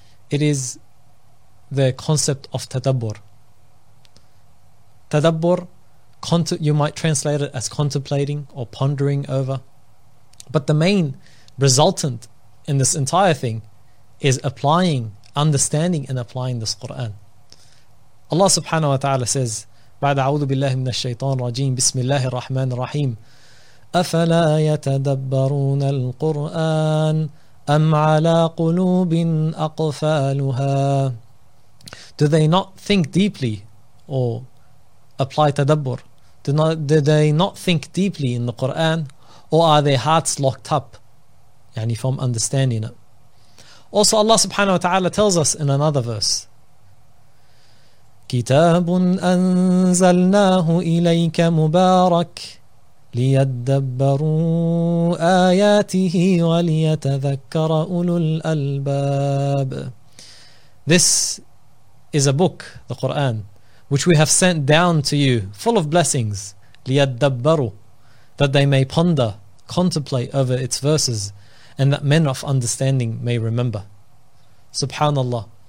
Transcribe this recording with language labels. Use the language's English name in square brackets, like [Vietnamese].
[English] It is the concept of tadabbur. Tadabbur, you might translate it as contemplating or pondering over. But the main resultant in this entire thing is applying, understanding and applying this Quran. Allah subhanahu wa ta'ala says, [Arabic] بعد أعوذ بالله من الشيطان الرجيم بسم الله الرحمن الرحيم أفلا يتدبرون القرآن أم على قلوب أقفالها. [English] Do they not think deeply or apply tadabbur? Do they not think deeply in the Quran, or are their hearts locked up, يعني from understanding it? Also, Allah subhanahu wa ta'ala tells us in another verse, [Arabic] كتاب أنزلناه إليك مبارك ليدبروا آياته وليتذكر أولو الألباب. [English] This is a book, the Quran, which we have sent down to you, full of blessings, ليدبروا, that they may ponder, contemplate over its verses, and that men of understanding may remember. SubhanAllah.